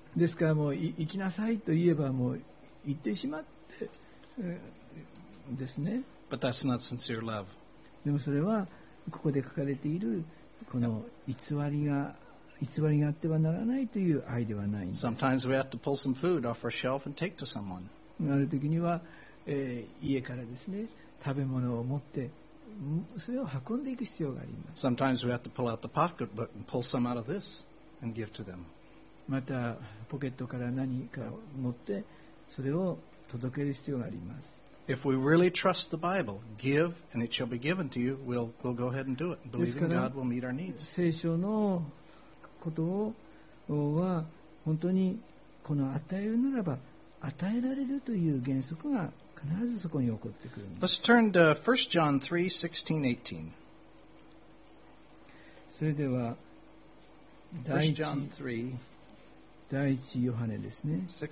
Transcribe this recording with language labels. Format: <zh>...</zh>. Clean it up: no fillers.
<ja>ですからもう行きなさいと言えばもう行ってしまってですね。</ja> <en>But that's not sincere love.</en> <ja>でもそれはここで書かれているこの偽りがあってはならないという愛ではないんです。</ja> <en>Sometimes we have to pull some food off our shelf and take to someone.</en> <ja>ある時には、家からですね、食べ物を持ってそれを運んでいく必要があります。</ja> <en>Sometimes we have to pull out the pocketbook and pull some out of this and give to them.</en> <ja>またポケットから何かを持ってそれを届ける必要があります。</ja> <en>If we really trust the Bible, give and it shall be given to you, we'll go ahead and do it, believing God will meet our needs.</en> <ja>聖書のことをは本当にこの与えるならば与えられるという原則が必ずそこに起こってくるんです。</ja> <en>Let's turn to 1 John 3, 16, 18.</en> <ja>それでは第1ヨハネですね。</ja>